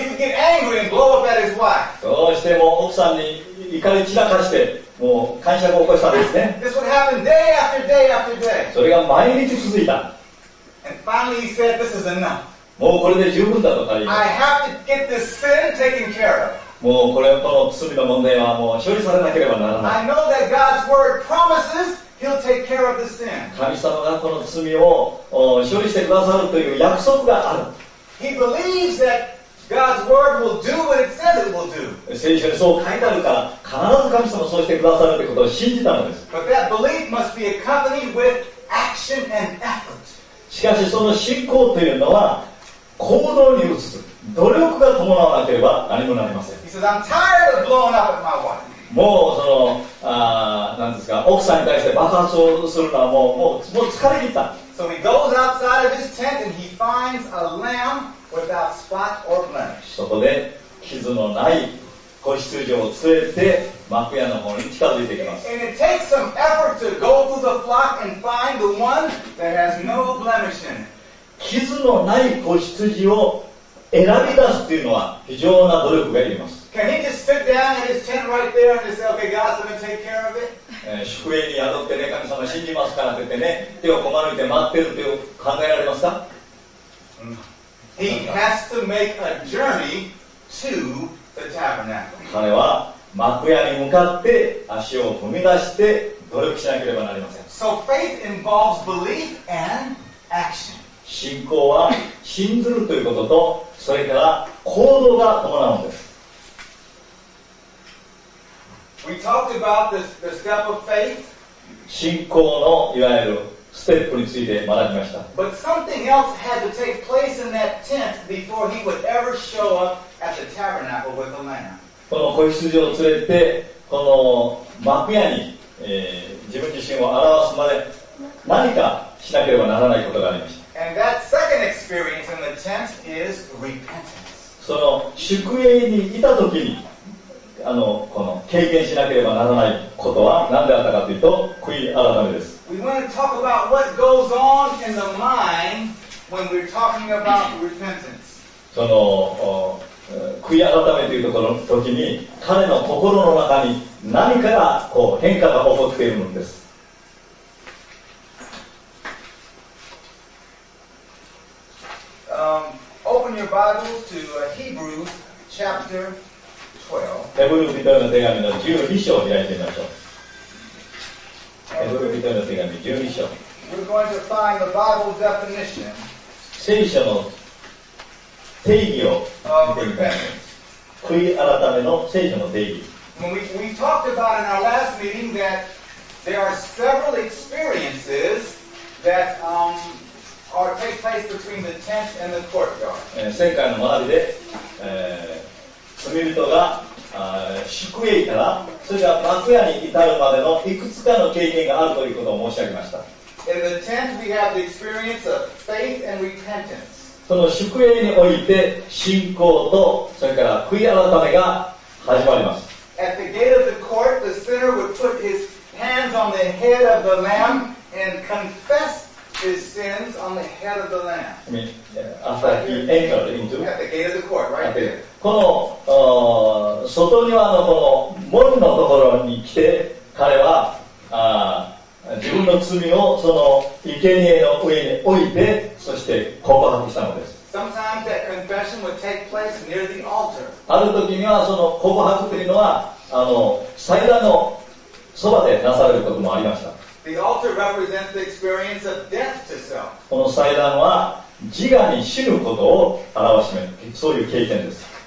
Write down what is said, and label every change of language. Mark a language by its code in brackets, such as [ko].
[en] He would get angry and blow up at his wife. [ja] どうしても奥さんに怒り散らかしてもう感謝を起こしたんですね。 [en] This would happen day after day after day. [ja] それが毎日続いた。 [en] And finally he said, This is enough. [ja] もうこれで十分だと言います。 [en] I have to get this sin taken care of. [ja] もうこれ、この罪の問題はもう処理されなければならない。 [en] I know that God's word promises he'll take care of the sin. [ja] 神様がこの罪を処理してくださるという約束がある。 [en] He believes thatGod's word will do what it says it will do. [ja] 聖書にそう書いてあるから必ず神様そうしてくださるということを信じたのです。 [en] But that belief must be accompanied with action and effort. [ja] しかしその信仰というのは行動に移す努力が伴わなければ何もなりません。 [en] He says, I'm tired of blowing up with my wife. [ja] もうその何ですか、奥さんに対して爆発をするのはもう疲れ切った。 [en] So he goes outside of his tent and he finds a lamb. Without spot or blemish. [ja] そこで傷のない子羊を連れて幕屋の方に近づいていきます。 [en] And it takes some effort to go through the flock and find the one that has no blemish in it. [ja] 傷のない子羊を選び出すというのは非常な努力がいります。 [en] Can he just sit down at his tent right there and say, Okay, God's going to take care of it? [ja] 宿営に宿ってね、神様信じますからって言ってね、手をこまねて待ってるって考えられますか？ [en] He has to make a journey to the tabernacle. [ja] 彼は幕屋に向かって足を踏み出して努力しなければなりません。 [en] So faith involves belief and action. [ja] 信仰は信ずるということとそれから行動が伴うんです。 [en] We talked about the step of faith. [ja] 信仰のいわゆるステップについて学びました。 [en] But something else had to take place in that tent before he would ever show up at the tabernacle with the lamb. [ja] この子羊を連れてこの幕屋に、自分自身を表すまで何かしなければならないことがありました。 [en] And that second experience in the tent is repentance. [ja] その宿営にいた時にこの経験しなければならないことは何であったかというと悔い改めです。 [en] We want to talk about what goes on in the mind when we're talking about repentance. [ja] その悔い改めというところの時に彼の心の中に何かがこう変化が起こっているのです。 [en] Open your Bibles to Hebrews chapter 12. [ja] ヘブル人への手紙の12章を開いてみましょう。エブル人への手紙12章。 [en] We're going to find the Bible definition. [ja] 聖書の定義を見てみたいと思います。悔い改めの聖書の定義。 [en] When we talked about in our last meeting that there are several experiences that are take place between the tent and the courtyard. [ja] 戦火の周りで、罪人が宿へ行ったら、それが幕屋に至るまでのいくつかの経験があるということを申し上げました。 [en] In the tent, we have the experience of faith and repentance. [ja] その宿営において信仰とそれから悔い改めが始まります。 [en] At the gate of the court, the sinner would put his hands on the head of the lamb and confess his sins on the head of the lamb. I mean, at the gate of the court, right there. [ja] この外庭のこの門のところに来て彼は自分の罪をその生贄の上に置いてそして告白したのです。 [en] Sometimes that confession would take place near the altar. [ja] ある時にはその告白というのは祭壇のそばでなされることもありました。 [en] The altar represents the experience of death to self. [ja] この祭壇は自我に死ぬことを表しめるそういう経験です。